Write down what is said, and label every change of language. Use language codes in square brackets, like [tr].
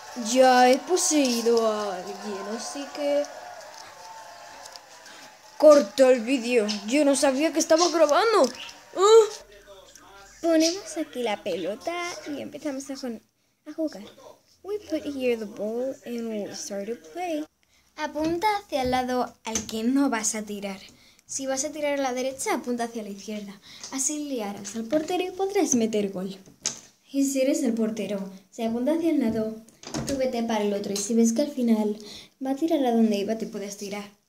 [es] Ya he poseído a alguien, así que... corto el vídeo. Yo no sabía que estaba grabando. Ponemos aquí la pelota y empezamos a jugar. [en] We put here the ball and we'll start to play. [es] Apunta hacia el lado al que no vas a tirar. Si vas a tirar a la derecha, apunta hacia la izquierda. Así liarás al portero y podrás meter gol. Y si eres el portero, si apunta hacia el lado, tú vete para el otro. Y si ves que al final va a tirar a donde iba, te puedes tirar.